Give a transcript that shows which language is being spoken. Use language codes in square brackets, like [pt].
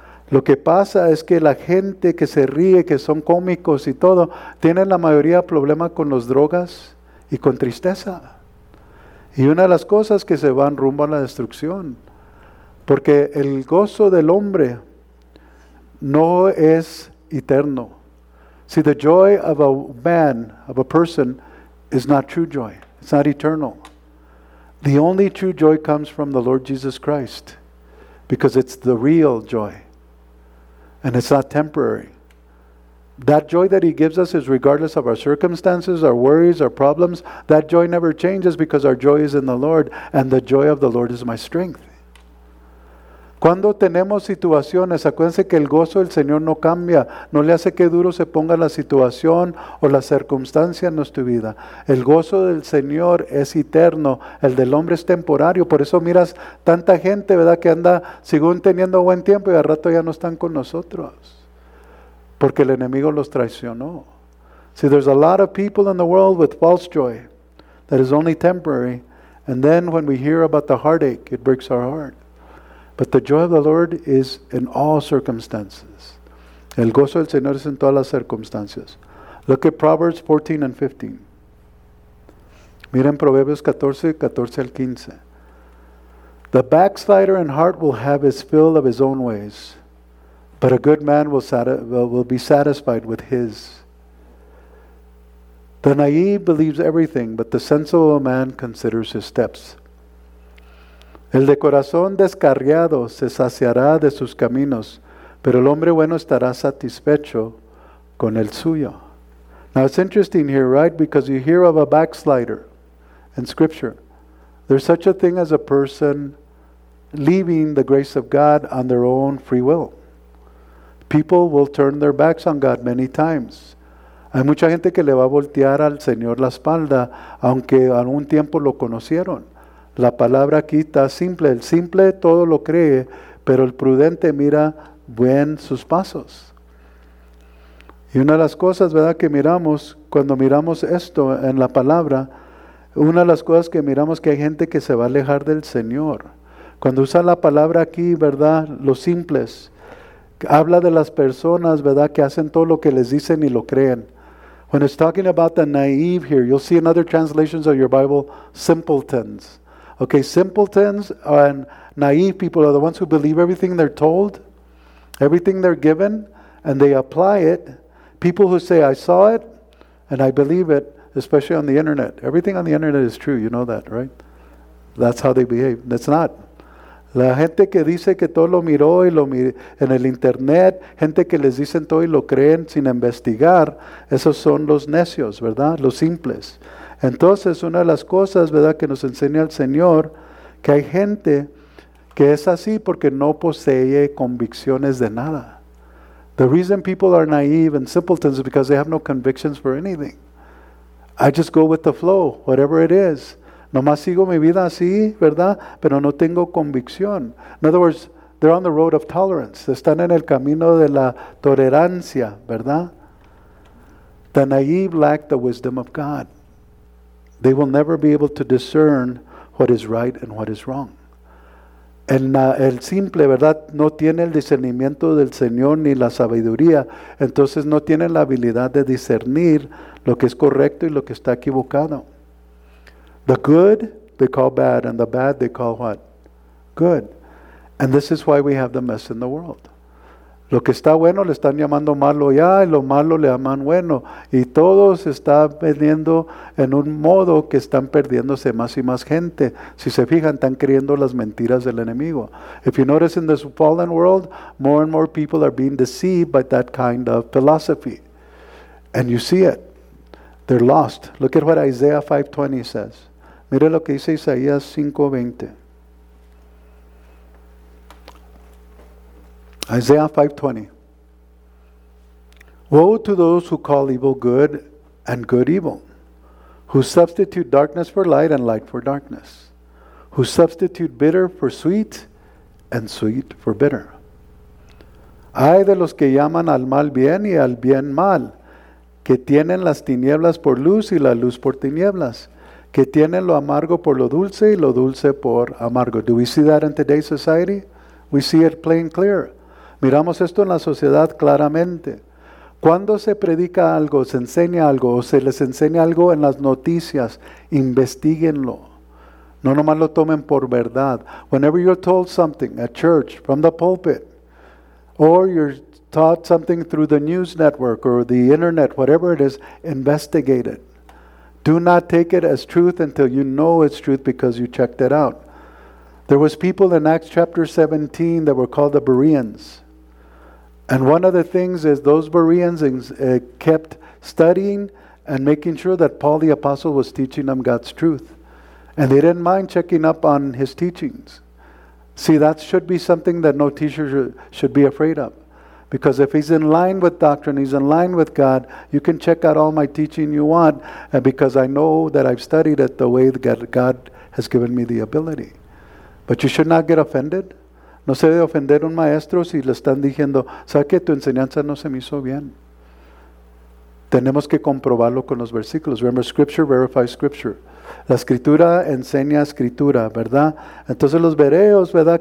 [es] Lo que pasa es que la gente que se ríe, que son cómicos y todo, tienen la mayoría problema con las drogas y con tristeza. Y una de las cosas que se van rumbo a la destrucción. Porque el gozo del hombre no es eterno. [en] See, the joy of a man, of a person, is not true joy. It's not eternal. The only true joy comes from the Lord Jesus Christ, because it's the real joy. And it's not temporary. That joy that He gives us is regardless of our circumstances, our worries, our problems. That joy never changes because our joy is in the Lord, and the joy of the Lord is my strength. [es] Cuando tenemos situaciones, acuérdense que el gozo del Señor no cambia. No le hace que duro se ponga la situación o la circunstancia en nuestra vida. El gozo del Señor es eterno. El del hombre es temporario. Por eso miras tanta gente, ¿verdad?, que anda según teniendo buen tiempo y al rato ya no están con nosotros. Porque el enemigo los traicionó. [en] See, there's a lot of people in the world with false joy that is only temporary. And then when we hear about the heartache, it breaks our heart. But the joy of the Lord is in all circumstances. [es] El gozo del Señor es en todas las circunstancias. [en] Look at Proverbs 14 and 15. [es] Miren Proverbios 14 al 15. [en] The backslider in heart will have his fill of his own ways, but a good man will be satisfied with his. The naive believes everything, but the sensible man considers his steps. [es] El de corazón descarriado se saciará de sus caminos, pero el hombre bueno estará satisfecho con el suyo. [en] Now it's interesting here, right? Because you hear of a backslider in Scripture. There's such a thing as a person leaving the grace of God on their own free will. People will turn their backs on God many times. [es] Hay mucha gente que le va a voltear al Señor la espalda, aunque algún tiempo lo conocieron. La palabra aquí está simple. El simple todo lo cree, pero el prudente mira bien sus pasos. Y una de las cosas, ¿verdad?, que miramos, cuando miramos esto en la palabra, una de las cosas que miramos que hay gente que se va a alejar del Señor. Cuando usa la palabra aquí, ¿verdad?, los simples, habla de las personas, ¿verdad?, que hacen todo lo que les dicen y lo creen. [en] When it's talking about the naive here, you'll see in other translations of your Bible, simpletons. Okay, simpletons and naive people are the ones who believe everything they're told, everything they're given, and they apply it. People who say, I saw it, and I believe it, especially on the internet. Everything on the internet is true, you know that, right? That's how they behave. That's not. [es] La gente que dice que todo lo miró y lo miró en el internet, gente que les dicen todo y lo creen sin investigar, esos son los necios, ¿verdad? Los simples. Entonces, una de las cosas, ¿verdad?, que nos enseña el Señor, que hay gente que es así porque no posee convicciones de nada. [en] The reason people are naive and simpletons is because they have no convictions for anything. I just go with the flow, whatever it is. [es] Nomás sigo mi vida así, ¿verdad?, pero no tengo convicción. [en] In other words, they're on the road of tolerance. [es] Están en el camino de la tolerancia, ¿verdad? [en] The naive lack the wisdom of God. They will never be able to discern what is right and what is wrong. [es] El simple, ¿verdad?, no tiene el discernimiento del Señor ni la sabiduría. Entonces no tiene la habilidad de discernir lo que es correcto y lo que está equivocado. [en] The good they call bad, and the bad they call what? Good. And this is why we have the mess in the world. [es] Lo que está bueno le están llamando malo ya, y lo malo le llaman bueno. Y todo se está vendiendo en un modo que están perdiéndose más y más gente. Si se fijan, están creyendo las mentiras del enemigo. [en] If you notice in this fallen world, more and more people are being deceived by that kind of philosophy. And you see it. They're lost. Look at what Isaiah 5:20 says. [es] Mire lo que dice Isaías 5:20. [en] Isaiah 5:20. Woe to those who call evil good and good evil, Who substitute darkness for light and light for darkness. Who substitute bitter for sweet and sweet for bitter. [es] Ay de los que llaman al mal bien y al bien mal, que tienen las tinieblas por luz y la luz por tinieblas, que tienen lo amargo por lo dulce y lo dulce por amargo. [en] Do we see that in today's society? We see it plain clear. [es] Miramos esto en la sociedad claramente. Cuando se predica algo, se enseña algo, o se les enseña algo en las noticias, investiguenlo. No nomás lo tomen por verdad. [en] Whenever you're told something at church, from the pulpit, or you're taught something through the news network or the internet, whatever it is, investigate it. Do not take it as truth until you know it's truth because you checked it out. There was people in Acts chapter 17 that were called the Bereans. And one of the things is those Bereans kept studying and making sure that Paul the Apostle was teaching them God's truth. And they didn't mind checking up on his teachings. See, that should be something that no teacher should be afraid of. Because if he's in line with doctrine, he's in line with God, you can check out all my teaching you want, and because I know that I've studied it the way that God has given me the ability. But you should not get offended. [es] No se debe ofender un maestro si le están diciendo, ¿sabes qué? Tu enseñanza no se me hizo bien. Tenemos que comprobarlo con los versículos. [en] Remember, scripture verifies scripture. [es] La escritura enseña escritura, ¿verdad? Entonces los bereos, ¿verdad?